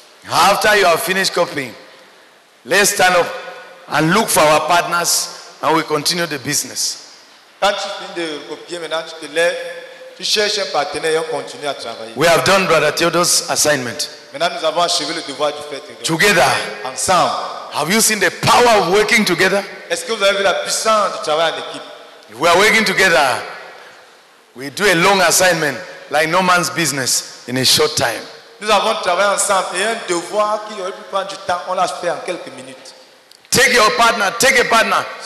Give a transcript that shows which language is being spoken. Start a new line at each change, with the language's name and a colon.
English: After you have finished copying, let's stand up and look for our partners and we continue the business.
French: Quand tu finis de copier, maintenant tu te lèves, tu cherches un partenaire et on continue à travailler.
English: We have done Brother Theodore's assignment.
French: Maintenant nous avons achevé le devoir du fait.
English: Together.
French: Ensemble.
English: Have you seen the power of working together?
French: Est-ce que vous avez vu la puissance du travail en équipe?
English: If we are working together, we do a long assignment like no man's business in a short time.
French: Nous avons travaillé ensemble et un devoir qui aurait pu prendre du temps, on l'a fait en quelques minutes.
English: Take your partner, take a partner.